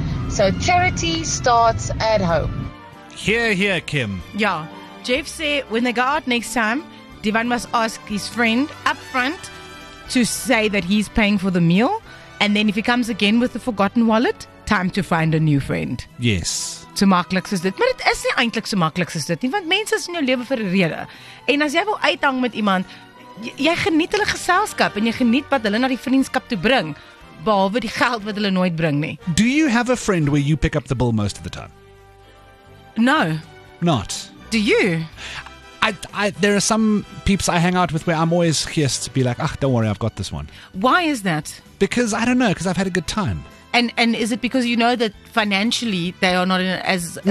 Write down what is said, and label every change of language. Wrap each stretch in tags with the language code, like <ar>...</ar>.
<en>So charity starts at home. Here, Kim. Yeah. Jeff say when they go out next time, Divan must ask his friend up front to say that he's paying for the meal. And then if he comes again with a forgotten wallet, time to find a new friend. Yes.</en> <af>So maklik soos dit. Maar dit is nie eintlik so maklik soos dit nie, want mense is in jou lewe vir 'n rede. En as jy wil uithang met iemand, jy geniet hulle geselskap en jy geniet wat hulle na die vriendskap toe bring, behalwe die geld wat hulle nooit bring nie.</af> <en>Do you have a friend where you pick up the bill most of the time? No. Not. Do you? I there are some peeps I hang out with where I'm always curious to be like, "Ach, don't worry, I've got this one." Why is that? Because I don't know, because I've had a good time. And is it because you know that financially they are not in as a</en>